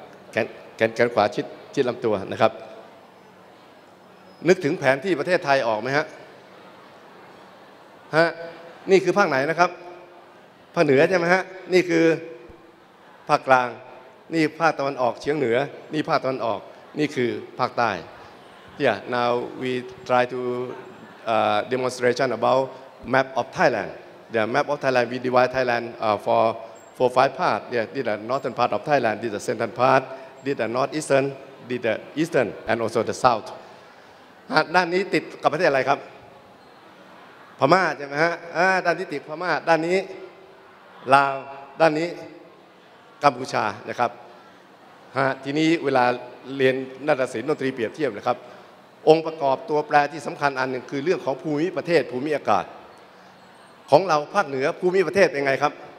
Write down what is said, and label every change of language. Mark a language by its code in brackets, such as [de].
[th] แขนขวาชิดลำตัวนะครับนึกถึงแผนที่ประเทศไทยออกไหมฮะนี่คือภาคไหนนะครับภาคเหนือใช่ไหมฮะนี่คือภาคกลางนี่ภาคตะวันออกเฉียงเหนือนี่ภาคตะวันออกนี่คือภาคใต้ [en] Yeah, now we try to demonstration about map of Thailand. The map of Thailand, we divide Thailand for 4-5 parts. Yeah, this is the northern part of Thailand, this is the central part, this is the northeastern, this is the eastern, and also the south. [th] ด้านนี้ติดกับประเทศอะไรครับพม่าใช่ไหมฮะด้านนี้ติดพม่าด้านนี้ลาวด้านนี้กัมพูชานะครับฮะทีนี้เวลาเรียนนาฏศิลป์ดนตรีเปรียบเทียบนะครับองค์ประกอบตัวแปรที่สำคัญอันหนึ่งคือเรื่องของภูมิประเทศภูมิอากาศของเราภาคเหนือภูมิประเทศเป็นไงครับ